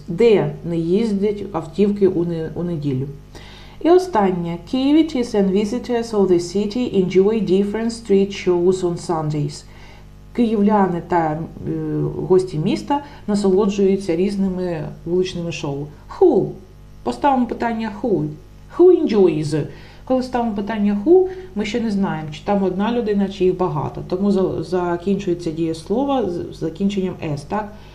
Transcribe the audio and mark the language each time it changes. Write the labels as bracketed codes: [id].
[uk] Де не їздять автівки у неділю? І останнє. [en] Kyivites and visitors of the city enjoy different street shows on Sundays. [uk] київляни та гості міста насолоджуються різними вуличними шоу. [en] Who? [uk] Поставимо питання [en] who. Who enjoys? [uk] Коли ставимо питання who, ми ще не знаємо, чи там одна людина, чи їх багато. Тому закінчується дієслово з закінченням s, так?